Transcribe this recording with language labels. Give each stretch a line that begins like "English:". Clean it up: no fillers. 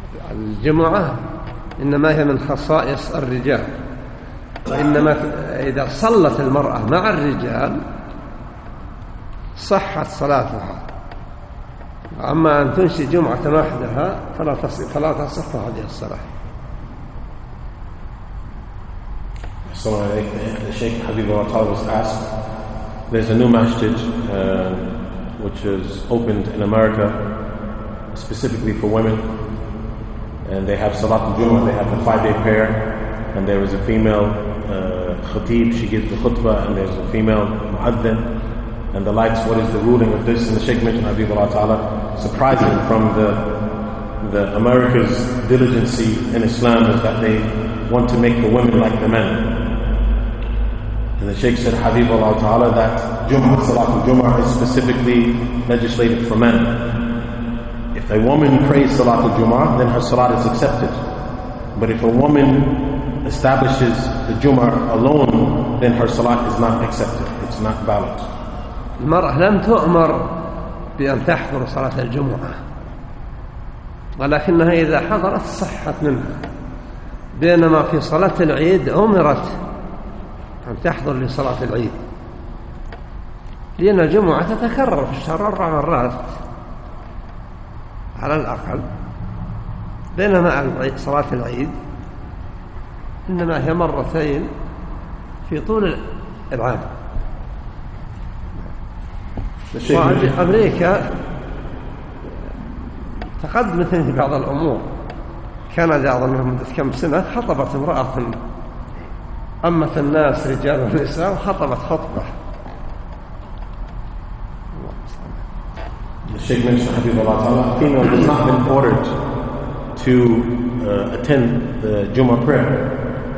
Arabic: الجمعة إنما هي من خصائص الرجال وإنما إذا صلت المرأة مع الرجال صحت صلاتها أما أن تنشي جمعة وحدها فلا تصح هذه الصلاة
English: So the Sheikh Habib Al-Atal was asked, there's a new masjid which is opened in America specifically for women, and they have Salat al-Jumu'ah, they have the five-day prayer, and there is a female khatib, she gives the khutbah, and there's a female mu'adhin, and the lights, what is the ruling of this? And the Sheikh mentioned Habib Al-Atal, surprising from the America's diligence in Islam is that they want to make the women like the men. And the Sheikh said, Habib Allah Ta'ala, that Jum'ah, Salat al-Jum'ah is specifically legislated for men. If a woman prays Salat al-Jum'ah, then her Salat is accepted. But if a woman establishes the Jum'ah alone, then her Salat is not accepted. It's not valid.
Arabic: المرأة لم تؤمر بأن تحضر صلاة الجمعة ولكنها إذا حضرت صحت منها بينما في صلاة العيد أمرت أن تحضر لصلاة العيد لأن الجمعة تتكرر في الشهر أربع مرات على الأقل بينما صلاة العيد إنما هي مرتين في طول العام أمريكا تقدمت في بعض الأمور كندا أظن منذ كم سنة خطبت امرأة أمت الناس رجال ونساء وخطبت خطبة.
English: The Sheikh mentioned Habib Al-Atala, female has not been ordered to attend the Jummah prayer.